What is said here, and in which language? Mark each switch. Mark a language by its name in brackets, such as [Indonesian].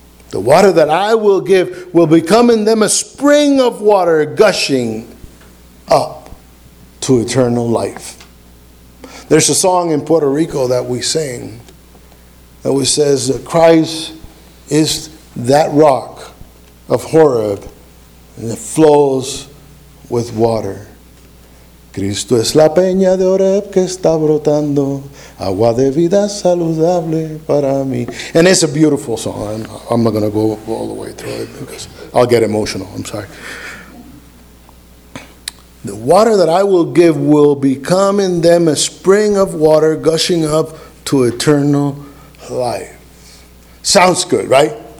[English] The water that I will give will become in them a spring of water gushing up to eternal life. There's a song in Puerto Rico that we sing. And it says that Christ is that rock of Horeb, and it flows with water. [Spanish] Cristo es la peña de Horeb que está brotando agua de vida saludable para mí. [English] And it's a beautiful song. I'm not going to go all the way through it because I'll get emotional. I'm sorry. The water that I will give will become in them a spring of water gushing up to eternal life. Sounds good, right?